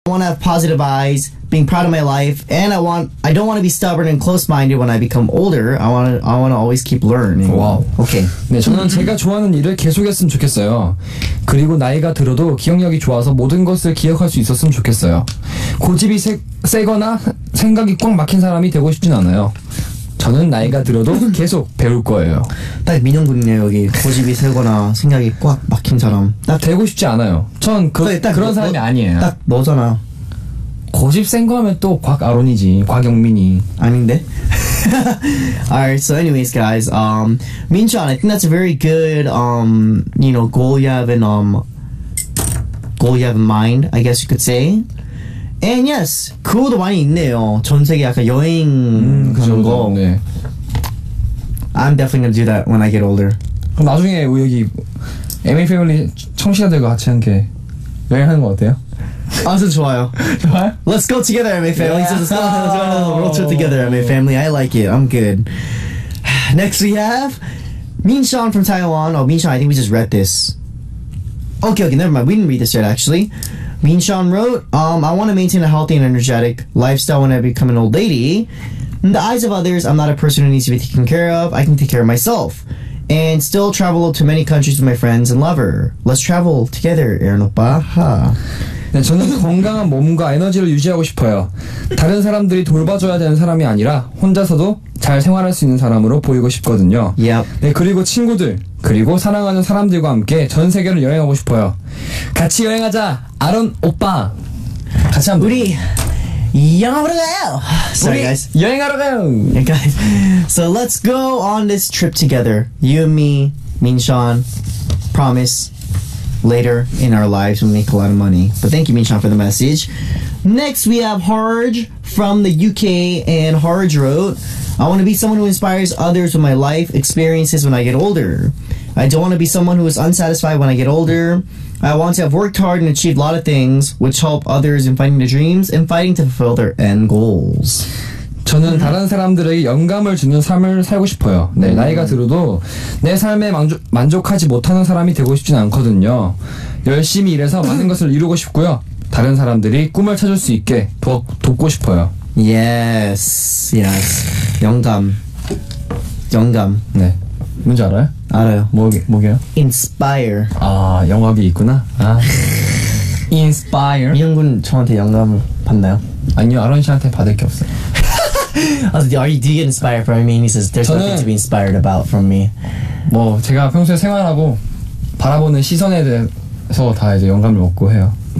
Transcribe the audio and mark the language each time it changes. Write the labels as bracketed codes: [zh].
[en] I want to have positive eyes, being proud of my life, and I don't want to be stubborn and close-minded when I become older. I want to always keep learning. Wow. Okay. [ko] 네, 저는 제가 좋아하는 일을 계속했으면 좋겠어요. 그리고 나이가 들어도 기억력이 좋아서 모든 것을 기억할 수 있었으면 좋겠어요. 고집이 세거나 생각이 꽉 막힌 사람이 되고 싶진 않아요. 저는 나이가 들어도 계속 배울 거예요. 딱 민영군이네요, 여기. 고집이 세거나 생각이 꽉 막힌 사람. 딱 되고 싶지 않아요. 전 그런 사람이 아니에요. 딱 너잖아. 고집 센 거 하면 또 곽아론이지. 곽영민이. 아닌데? [en] Alright, so anyways, guys. Minchan, I think that's a very good, you know, goal you have in, goal you have in mind, I guess you could say. And yes, [ko] 그거도 많이 있네요. 전 세계 약간 여행 가는 거. 네. [en] I'm definitely gonna do that when I get older. [ko] 그럼 나중에 여기 MA Family 청취자들과 같이 함께 여행하는 거 어때요? 아, 저 좋아요. 좋아요? [en] Let's go together, MA Family. Let's go together, MA Family. I like it. I'm good. Next we have Min Sean from Taiwan. Oh, Min Sean, I think we just read this. Okay, never mind. We didn't read this yet, actually. Min Sean wrote, I want to maintain a healthy and energetic lifestyle when I become an old lady. In the eyes of others, I'm not a person who needs to be taken care of. I can take care of myself. And still travel to many countries with my friends and lover. Let's travel together, Aaron Oppa. Huh. [ko] 네, 저는 건강한 몸과 에너지를 유지하고 싶어요. 다른 사람들이 돌봐줘야 되는 사람이 아니라 혼자서도 잘 생활할 수 있는 사람으로 보이고 싶거든요. [en] Yep. [ko] 네, 그리고 친구들, 그리고 사랑하는 사람들과 함께 전 세계를 여행하고 싶어요. 같이 여행하자, 아론 오빠. 같이 한번. 우리 여행하러 가요. [en] Sorry, guys. [ko] 여행하러 가요. [en] Yeah, guys. So let's go on this trip together. You and me, Min Sean, promise. Later in our lives, we make a lot of money. But thank you, Minchan, for the message. Next, we have Harj from the UK. And Harj wrote, I want to be someone who inspires others with my life experiences when I get older. I don't want to be someone who is unsatisfied when I get older. I want to have worked hard and achieved a lot of things, which help others in finding their dreams and fighting to fulfill their end goals. [ko] 저는 다른 사람들에게 영감을 주는 삶을 살고 싶어요. 네, 나이가 들어도 내 삶에 만족하지 못하는 사람이 되고 싶진 않거든요. 열심히 일해서 많은 것을 이루고 싶고요. 다른 사람들이 꿈을 찾을 수 있게 돕고 싶어요. [en] Yes, yes. [ko] 영감. 영감. 네. 뭔지 알아요? 알아요. 뭐게요? [en] Inspire. [ko] 아, 영감이 있구나. 아. [en] Inspire. [ko] 미영군 저한테 영감을 받나요? 아니요, 아론 씨한테 받을 게 없어요. [en] Do you get inspired from me? And he says, there's nothing to be inspired about from me. [ko] 뭐 제가 평소에 생활하고 바라보는 시선에 대해서 다 이제 영감을 얻고 해요.